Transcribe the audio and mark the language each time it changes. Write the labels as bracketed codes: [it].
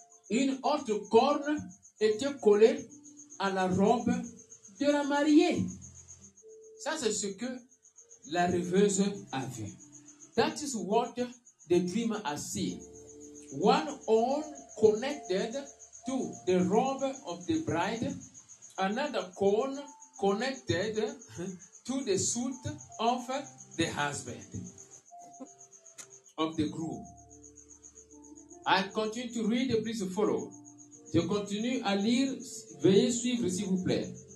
[fr] Une autre corne était collée à la robe de la mariée. Ça, c'est ce que la rêveuse a vu. [en] That is what the dreamer has seen. One horn connected to the robe of the bride. Another horn connected to the suit of the husband of the groom. I continue to read, please follow. [fr] Je continue à lire, veuillez suivre s'il vous plaît.